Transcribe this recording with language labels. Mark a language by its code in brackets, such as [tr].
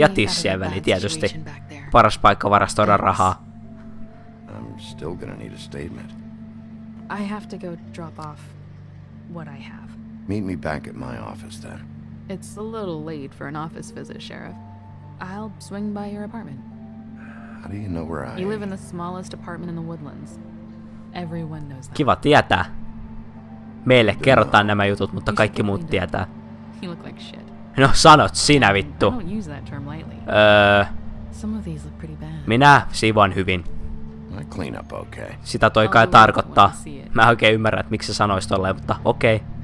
[fi] Ja tissiä väli tietysti. Paras paikka varastoida rahaa. [en] I'm still gonna need a statement. I have to go drop off what I have. Meet me back at my office then. It's a little late for an office visit, Sheriff. I'll swing by your apartment. How do you know where I am? You live in the smallest apartment in the Woodlands. Everyone knows that. [fi] Kiva tietää. Meille kerrotaan nämä jutut, mutta kaikki muut tietää. [en] You look like shit. [fi] No sanot sinä vittu. [en] I don't use that term lightly. Some of these look pretty bad. [fi] Minä siivoan hyvin. [en] I clean up okay. [fi] Sitä toi kai tarkoittaa. Mä en oikein ymmärrä, että miksi sä sanois tolleen, mutta okei.